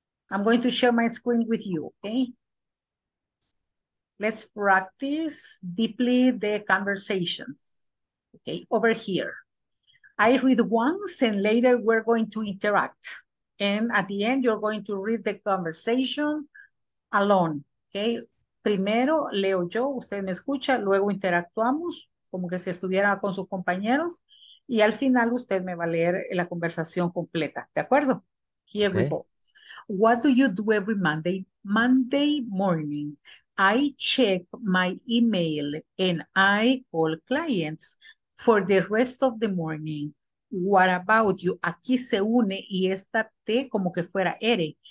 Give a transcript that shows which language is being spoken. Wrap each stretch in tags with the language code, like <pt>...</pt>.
<en>I'm going to share my screen with you, ¿ok? Let's practice deeply the conversations. Okay, over here. I read once and later we're going to interact. And at the end, you're going to read the conversation alone.</en> <es>Okay, primero leo yo, usted me escucha, luego interactuamos como que si estuviera con sus compañeros. Y al final usted me va a leer la conversación completa. ¿De acuerdo?</es> <en>Here we go. What do you do every Monday? Monday morning, I check my email and I call clients for the rest of the morning. What about you?</en> <es>Aquí se une y esta T como que fuera R.</es>